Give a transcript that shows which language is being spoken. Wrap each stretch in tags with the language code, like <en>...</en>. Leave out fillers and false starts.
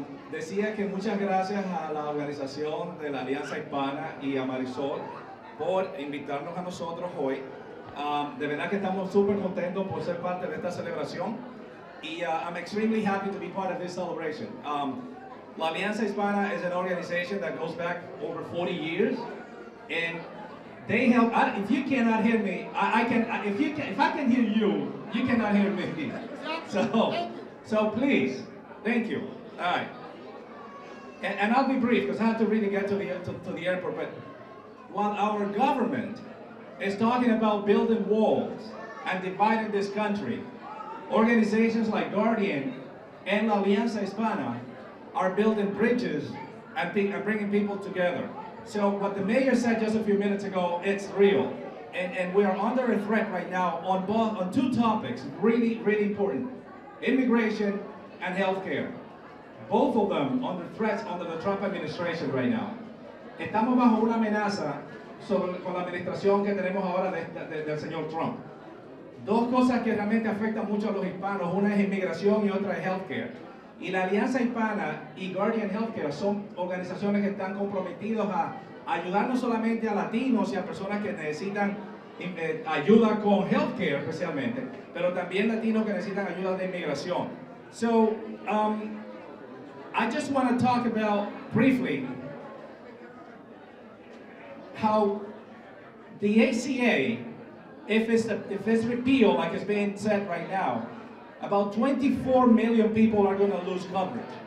<es>Decía que muchas gracias a la organización de la Alianza Hispana y a Marisol por invitarnos a nosotros hoy. De verdad que estamos súper contentos por ser parte de esta celebración.</es> <en>Y I'm extremely happy to be part of this celebration. La Alianza Hispana is an organization that goes back over 40 years. And they help, if you cannot hear me, if I can hear you, you cannot hear me. So please, thank you. All right. And I'll be brief because I have to really get to the airport. But while our government is talking about building walls and dividing this country, organizations like Guardian and La Alianza Hispana are building bridges and bringing people together. So what the mayor said just a few minutes ago, it's real. And we are under a threat right now on two topics, really, really important: immigration and healthcare. Both of them under threats under the Trump administration right now.</en> <es>Estamos bajo una amenaza con la administración que tenemos ahora del señor Trump. Dos cosas que realmente afectan mucho a los hispanos, una es inmigración y otra es healthcare. Y la Alianza Hispana y Guardian Healthcare son organizaciones que están comprometidas a ayudar no solamente a latinos y a personas que necesitan ayuda con healthcare especialmente, pero también latinos que necesitan ayuda de inmigración.</es> <en>So, I just want to talk about briefly how the ACA, if it's repealed like it's being said right now, about 24 million people are going to lose coverage.</en>